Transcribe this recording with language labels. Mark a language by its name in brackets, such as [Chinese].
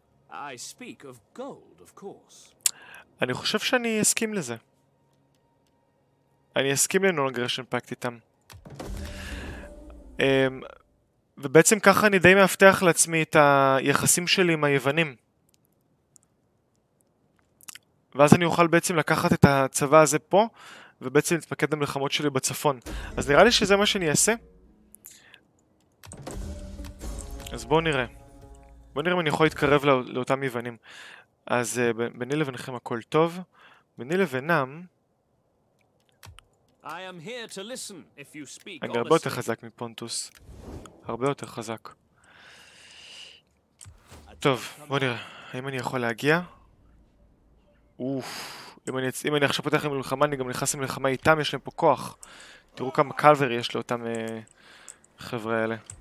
[English] I speak of gold, of course. [Hebrew] אני חושב שאני אסכים לזה. אני אסכים לנונגרשן פאקט איתם. ובעצם ככה אני די מאבטח לעצמי את היחסים שלי עם היוונים. ואז אני אוכל בעצם לקחת את הצבא הזה פה, ובעצם להתפקד במלחמות שלי בצפון. אז נראה לי שזה מה שאני אעשה. אז בואו נראה. בואו נראה אם אני יכול להתקרב לאותם יוונים. אז ביני לבינכם הכל טוב, ביני לבינם I am here to listen if you speak honestly. הרבה יותר חזק מפונטוס, הרבה יותר חזק. טוב, בוא נראה, האם אני יכול להגיע? אוף, אם אני עכשיו פותח עם מלחמה, אני גם נכנס עם מלחמה איתם, יש להם פה כוח. תראו כמה קלברי יש לאותם חבר'ה האלה.